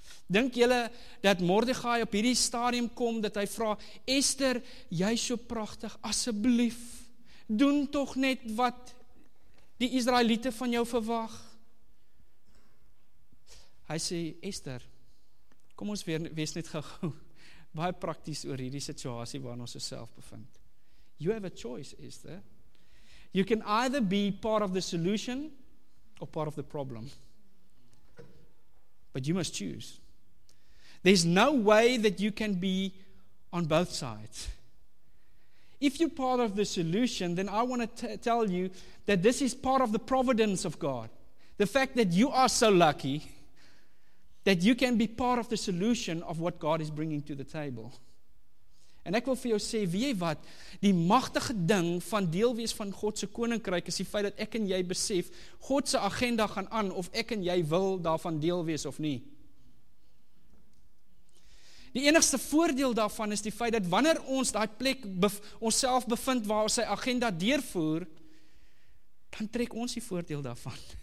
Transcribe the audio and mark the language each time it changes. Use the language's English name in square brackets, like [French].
[Afrikaans] Dink julle dat Mordegai op hierdie stadium kom, dat hy vra, Esther, jy is so prachtig, asseblief, doen toch net wat die Israeliete van jou verwag. Hy sê, Esther, kom ons weer, wees net gegaan, baie prakties oor hierdie situasie waarin ons osself bevind. [English] You have a choice, Esther. You can either be part of the solution or part of the problem. But you must choose. There's no way that you can be on both sides. If you're part of the solution, then I want to tell you that this is part of the providence of God. The fact that you are so lucky that you can be part of the solution of what God is bringing to the table. [Afrikaans] En ek wil vir jou sê, weet jy wat, die magtige ding van deelwees van Godse koninkryk is die feit dat ek en jy besef, Godse agenda gaan aan of ek en jy wil daarvan deelwees of nie. Die enigste voordeel daarvan is die feit dat wanneer ons daai plek onsself bevind waar ons sy agenda deurvoer, dan trek ons die voordeel daarvan.